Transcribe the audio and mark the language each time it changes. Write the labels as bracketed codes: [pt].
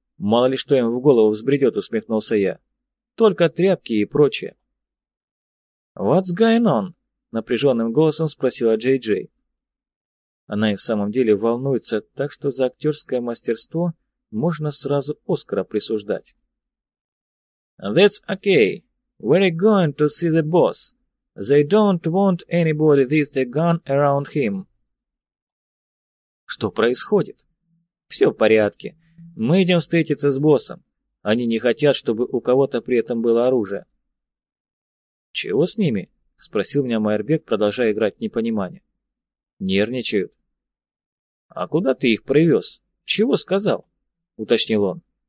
[ru] Мало ли что им в голову взбредет», — усмехнулся я. «Только тряпки и прочее». [en] «What's going on?» [ru] — напряженным голосом спросила Джей-Джей. Она и в самом деле волнуется, так что за актерское мастерство можно сразу Оскара присуждать. [en] «That's okay. We're going to see the boss. They don't want anybody with a gun around him». [ru] «Что происходит?» «Все в порядке. Мы идем встретиться с боссом. Они не хотят, чтобы у кого-то при этом было оружие». «Чего с ними?» — спросил меня Майербек, продолжая играть непонимание. «Нервничают». «А куда ты их привез? Чего сказал?» — уточнил он.